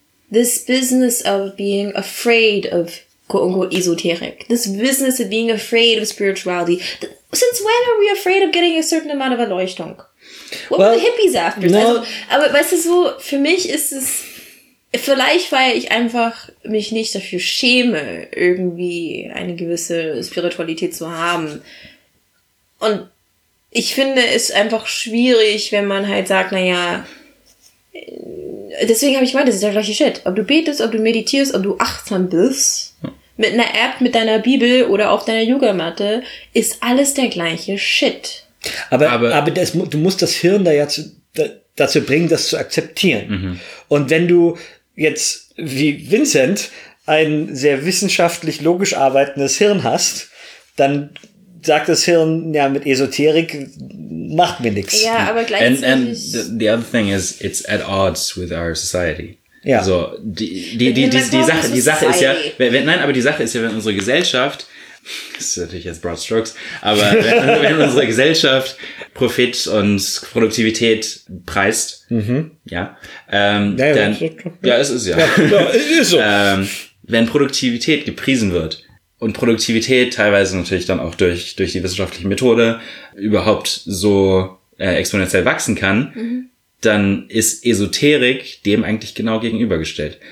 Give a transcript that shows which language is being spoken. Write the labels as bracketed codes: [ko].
[en] This business of being afraid of quote-unquote esoteric, this business of being afraid of spirituality. Since when are we afraid of getting a certain amount of Erleuchtung? What were the hippies after? No. [de] Also, aber weißt du, so, für mich ist es, vielleicht weil ich einfach mich nicht dafür schäme, irgendwie eine gewisse Spiritualität zu haben. Und ich finde es einfach schwierig, wenn man halt sagt, naja, deswegen habe ich gemeint, das ist der gleiche Shit. Ob du betest, ob du meditierst, ob du achtsam bist, mit einer App, mit deiner Bibel oder auf deiner Yogamatte, ist alles der gleiche Shit. Aber das, du musst das Hirn da ja dazu bringen, das zu akzeptieren. Und wenn du jetzt wie Vincent ein sehr wissenschaftlich logisch arbeitendes Hirn hast, dann sagt das Hirn, ja, mit Esoterik macht mir nichts. Ja, aber gleichzeitig. [en] And the other thing is, it's at odds with our society. [de] Ja. So, die Sache ist ja, die Sache ist ja, wenn unsere Gesellschaft, das ist natürlich jetzt [en] broad strokes, [de] aber wenn unsere Gesellschaft Profit und Produktivität preist, wenn Produktivität gepriesen wird, und Produktivität teilweise natürlich dann auch durch die wissenschaftliche Methode überhaupt so exponentiell wachsen kann, dann ist Esoterik dem eigentlich genau gegenübergestellt.